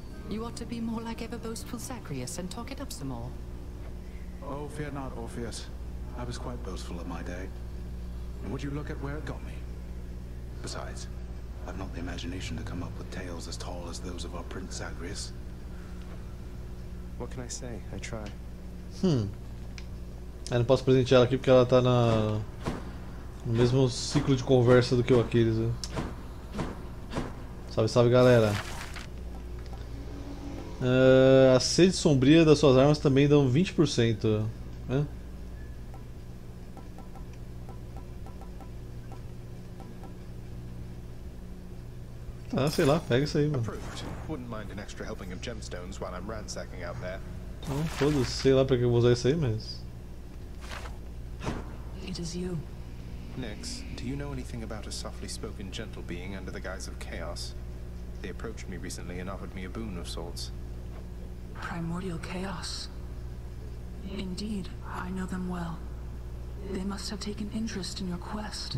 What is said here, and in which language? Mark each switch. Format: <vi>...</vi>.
<en>You ought to be more like ever boastful Zagreus and talk it up some more. Oh, fear not, Orpheus. I was quite boastful in my day. Would you look at where it got me? Besides, I've not the imagination to come up with tales as tall as those of our Prince Zagreus. What can I say? I try.</en> <pt>Eu não posso presentear ela aqui porque ela tá na... no mesmo ciclo de conversa do que o Aquiles. Né? Salve, salve, galera! A sede sombria das suas armas também dão 20%. Né? Ah, sei lá, pega isso aí, mano. Então, foda-se, sei lá pra que eu vou usar isso aí, mas...</pt> <en>It is you. Nix, do you know anything about a softly spoken gentle being under the guise of chaos? They approached me recently and offered me a boon of sorts. Primordial chaos. Indeed, I know them well. They must have taken interest in your quest.</en>